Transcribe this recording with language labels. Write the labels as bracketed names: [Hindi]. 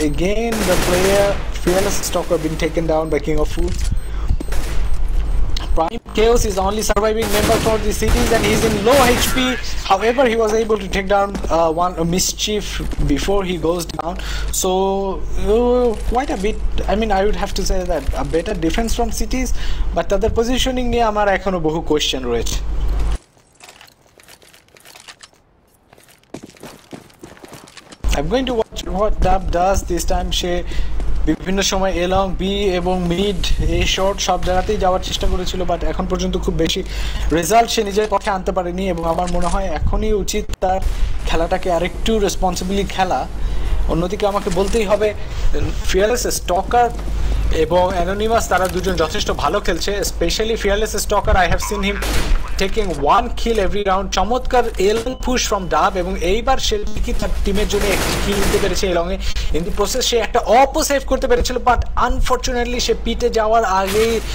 [English] again the player Fearless Stock been taken down by King of Fool, Prime Chaos is only surviving member for the city and he is in low HP, however he was able to take down one Mischief before he goes down, so quite a bit I mean I would have to say that a better defence from cities, but [Bangla] তাদের positioning নিয়ে আমার এখনো বহু question রয়েছে। [English] I'm going to watch what Dab does this time. She [Bangla] বিভিন্ন সময় along B এবং mid a short সব জায়গাতেই যাওয়ার চেষ্টা করেছিল, বাট এখন পর্যন্ত খুব বেশি রেজাল্ট সে নিজের পক্ষে আনতে পারেনি এবং আমার মনে হয় এখনই উচিত তার খেলাটাকে আরেকটু রেসপন্সিবিলি খেলা। অন্যদিকে আমাকে বলতেই হবে ফিয়ারলেস স্টকার এবং অ্যানোনিমাস তারা দুজন যথেষ্ট ভালো খেলছে, specially fearless stalker [English] I have seen him taking one kill every round, [Bangla] চমৎকার এলং পুশ ফ্রম ডাব এবং এইবার সে কি তার টিমের জন্য একটি কিল নিতে পেরেছে এলং এ, কিন্তু প্রসেস সে একটা অপও সেভ করতে পেরেছিল বাট আনফর্চুনেটলি সে পিটে যাওয়ার আগেই